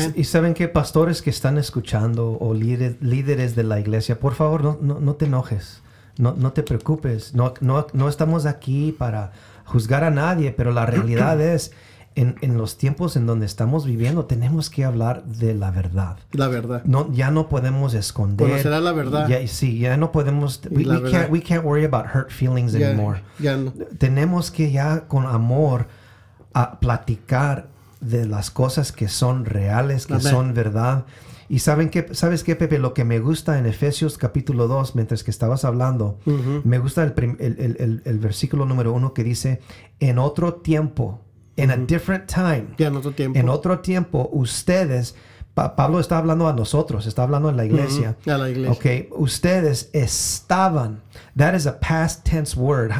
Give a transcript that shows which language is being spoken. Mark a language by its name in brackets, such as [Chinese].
[Spanish] Y saben que pastores que están escuchando o líderes de la iglesia, por favor, no te enojes, no te preocupes, no estamos aquí para juzgar a nadie, pero la realidad es, en los tiempos en donde estamos viviendo, tenemos que hablar de la verdad. La verdad. No, ya no podemos esconder. Conocerá la verdad. Ya, sí, ya no podemos. [English] We can't worry about hurt feelings anymore. [Spanish] Ya no. Tenemos que ya con amor a platicar de las cosas que son reales, que, amén, son verdad. Y ¿sabes qué, Pepe? Lo que me gusta en Efesios capítulo 2, mientras que estabas hablando, uh-huh, me gusta el versículo número 1 que dice, en otro tiempo, in, uh-huh, [English] a different time, [Spanish] yeah, en otro tiempo, en otro tiempo, ustedes, Pablo está hablando a nosotros, está hablando a la iglesia, uh-huh, a la iglesia, okay, ustedes estaban, [English] that is a past tense word,